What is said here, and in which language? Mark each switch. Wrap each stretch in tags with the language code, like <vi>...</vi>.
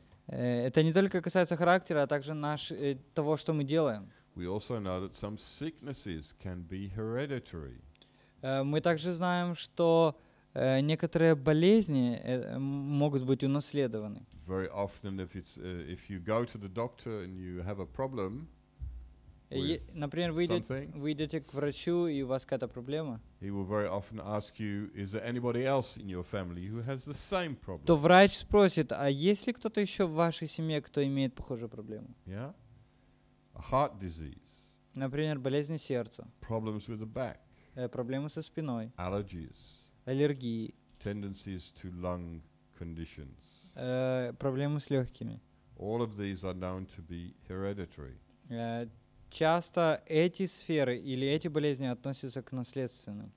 <ru>Это не только касается характера, а также того, что мы делаем.</ru> <en>We also know that some sicknesses can be hereditary.</en> <ru>Мы также знаем, что некоторые болезни могут быть унаследованы.</ru> <en>Very often if you go to the doctor and you have a problem with</en> <ru>вы идете к врачу и у вас какая-то проблема,</ru> <en>he will very often ask you, is there anybody else in your family who has the same problem?</en> <ru>То врач спросит, а есть ли кто-то еще в вашей семье, кто имеет похожую проблему?</ru> <en>Yeah. Heart disease.</en> <ru>Например, болезни сердца.</ru> <en>Problems with the back.</en> <ru>Проблемы со спиной.</ru> <en>Allergies.</en> <ru>Аллергии.</ru> <en>Tendencies to lung conditions.</en> <ru>Проблемы с легкими.</ru> <en>All of these are known to be hereditary.</en> <ru>Часто эти сферы или эти болезни относятся к наследственным.</ru>